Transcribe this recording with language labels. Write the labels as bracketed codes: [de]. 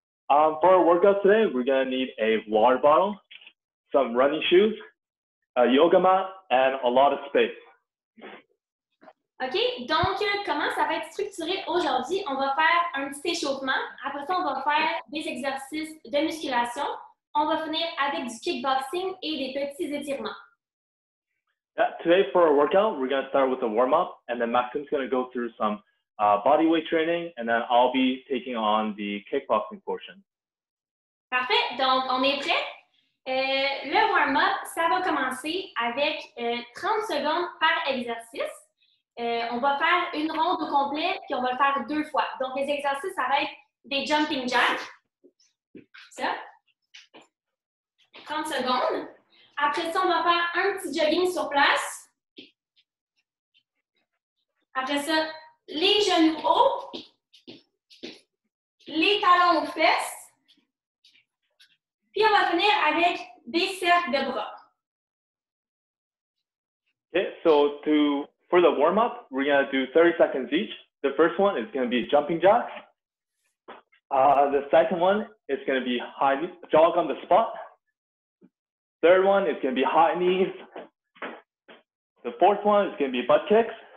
[en] For our workout today, we're going to need a water bottle, some running shoes, a yoga mat, and a lot of space. [fr] OK, donc comment ça va être structuré aujourd'hui? On va faire un petit échauffement. Après ça, on va faire des exercices de musculation. On va finir avec du kickboxing et des petits étirements. [en] Yeah, today, for our workout, we're going to start with a warm-up, and then Maxim's going to go through some body weight training, and then I'll be taking on the kickboxing portion. [fr] Parfait! Donc, on est prêt. Le warm-up, ça va commencer avec 30 secondes par exercice. On va faire une ronde au complet, puis on va le faire deux fois. Donc, les exercices, ça va être des jumping jacks. Ça. 30 secondes. Après ça, on va faire un petit jogging sur place. Après ça, les genoux hauts, les talons aux fesses, puis on va finir avec des cercles de bras. [en] Okay, so for the warm-up, we're going to do 30 seconds each. The first one is going to be jumping jacks. The second one is going to be high jog on the spot. Third one is going to be high knees. The fourth one is going to be butt kicks.